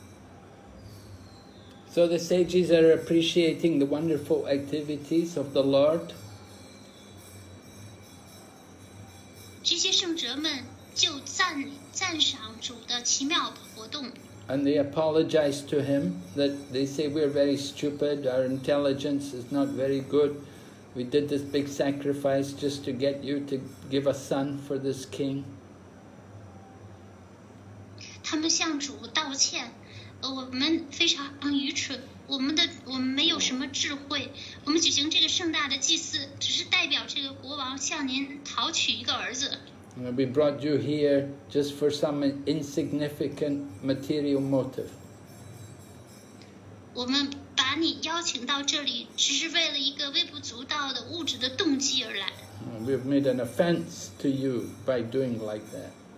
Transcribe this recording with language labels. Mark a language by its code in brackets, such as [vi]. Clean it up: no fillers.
[zh] 以这种方式，就永远不会受到玛雅的影响。 [en] So the sages are appreciating the wonderful activities of the Lord. [zh] 这些圣者们就赞赏主的奇妙的活动。 [en] And they apologize to him, that they say we are very stupid, our intelligence is not very good, We did this big sacrifice just to get you to give a son for this king. [zh] 他们向主道歉，我们非常愚蠢，我们没有什么智慧，我们举行这个盛大的祭祀，只是代表这个国王向您讨取一个儿子。 [en] We brought you here just for some insignificant material motive. [zh] 我们把你邀请到这里，只是为了一个微不足道的物质的动机而来。 [en] We've made an offense to you by doing like that.